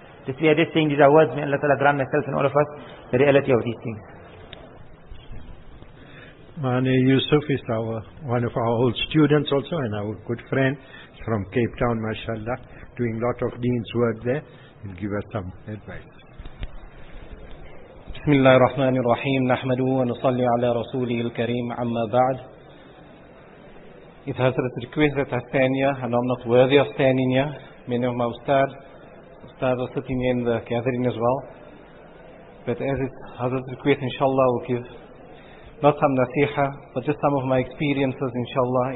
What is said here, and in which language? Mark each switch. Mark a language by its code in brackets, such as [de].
[en] Just we are just saying these are words, may Allah Ta'ala grant myself and all of us the reality of these things. Mani Yusuf is one of our old students also and our good friend from Cape Town, mashallah, doing a lot of Deen's work there. He'll give us some advice. [ar] بسم الله الرحمن الرحيم نحمده ونصلي على رسوله الكريم عما بعد. [en] It has a request that I stand here and I'm not worthy of standing here. Many of my ustad are sitting here in the gathering as well. But as it has a request, inshallah, will give not some nasiha, but just some of my experiences, inshallah.